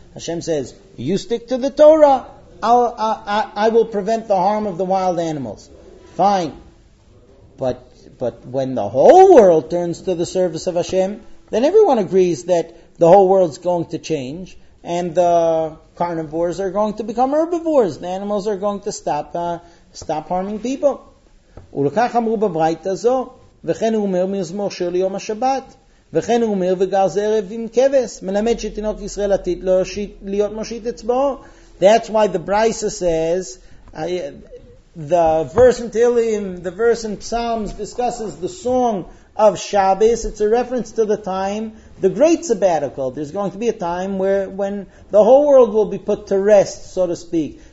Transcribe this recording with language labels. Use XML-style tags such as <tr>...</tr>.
<en>Hashem says, you stick to the Torah, I will prevent the harm of the wild animals. Fine. But when the whole world turns to the service of Hashem, then everyone agrees that the whole world's going to change, and the carnivores are going to become herbivores. The animals are going to stop harming people.</en> <he>ולכך אמרו בברית הזו, וכן הוא אומר מזמור של יום השבת, וכן הוא אומר וגר זה ערב עם כבש, מלמד שתינוק ישראל עתיד להיות מושיט אצבעו.</he> <en>That's why the Brisa says, the verse in Psalms discusses the song of Shabbos. It's a reference to the time, the great sabbatical. There's going to be a time when the whole world will be put to rest, so to speak.</en>